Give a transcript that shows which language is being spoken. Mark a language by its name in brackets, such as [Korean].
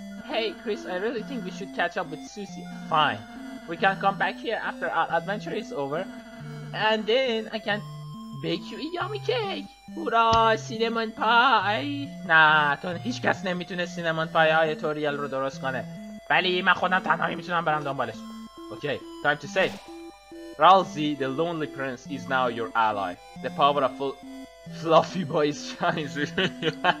[English] Hey, Chris, I really think we should catch up with Susie. Fine. We can come back here after our adventure is over. And then I can bake you a yummy cake. [Persian] هورا سینمون پای. نه تو هیچ کس نمیتونه سینمون پای های توریال رو درست کنه. ولی من خودم تنهایی میتونم برم دنبالش. [English] Okay, time to save. Ralzi, the lonely prince, is now your ally. The power of fluffy boys shines within you.